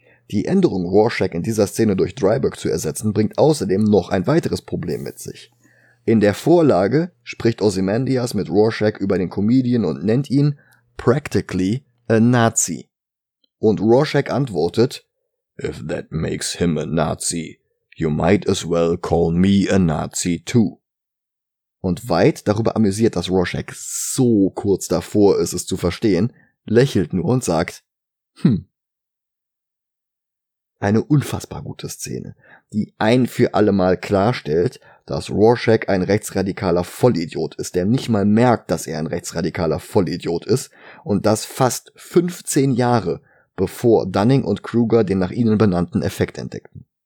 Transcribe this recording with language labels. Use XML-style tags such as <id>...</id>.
<de>Die Änderung, Rorschach in dieser Szene durch Dryburg zu ersetzen, bringt außerdem noch ein weiteres Problem mit sich. In der Vorlage spricht Ozymandias mit Rorschach über den Comedian und nennt ihn</de> <en>practically a Nazi.</en> <de>Und Rorschach antwortet,</de> <en>if that makes him a Nazi, you might as well call me a Nazi too.</en> <de>Und White, darüber amüsiert, dass Rorschach so kurz davor ist, es zu verstehen, lächelt nur und sagt, Eine unfassbar gute Szene, die ein für alle Mal klarstellt, dass Rorschach ein rechtsradikaler Vollidiot ist, der nicht mal merkt, dass er ein rechtsradikaler Vollidiot ist und das fast 15 Jahre, bevor Dunning und Kruger den nach ihnen benannten Effekt entdeckten.</de>